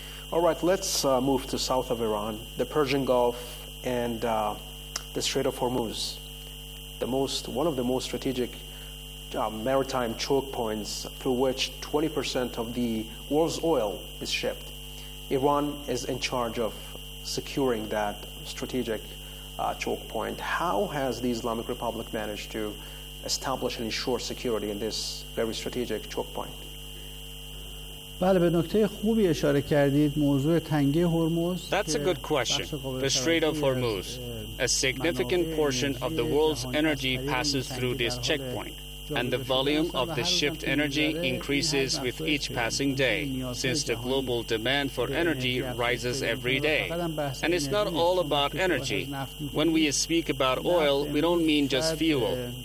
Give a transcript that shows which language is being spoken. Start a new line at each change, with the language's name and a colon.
English: All right, let's move to south of Iran, the Persian Gulf, and the Strait of Hormuz, one of the most strategic maritime choke points through which 20% of the world's oil is shipped. Iran is in charge of securing that strategic choke point. How has the Islamic Republic managed to establish and ensure security in this very strategic choke point?
Persian: بله به نکته خوبی اشاره کردید موضوع تنگه هرمز
English: That's a good question. The Strait of Hormuz, a significant portion of the world's energy passes through this checkpoint. And the volume of the shipped energy increases with each passing day, since the global demand for energy rises every day. And it's not all about energy. When we speak about oil, we don't mean just fuel.